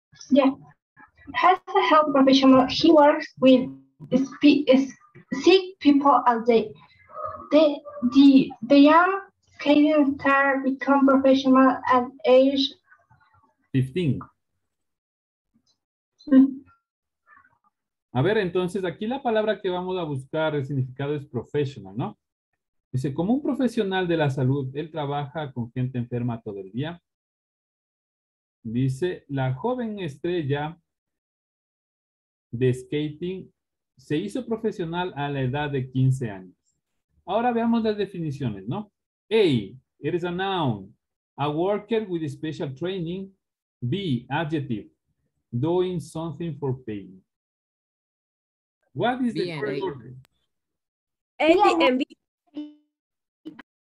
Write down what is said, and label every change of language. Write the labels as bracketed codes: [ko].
[en] Yeah. As a health professional, he works with sick people all day. The young Canadian star become professional at age 15. [es] A ver, entonces aquí la palabra que vamos a buscar, el significado es professional, ¿no? Dice, como un profesional de la salud, él trabaja con gente enferma todo el día. Dice, la joven estrella de skating se hizo profesional a la edad de 15 años. Ahora veamos las definiciones, ¿no? [en] A, it is a noun, a worker with special training. B, adjective, doing something for pain. What is the correct order? A and B.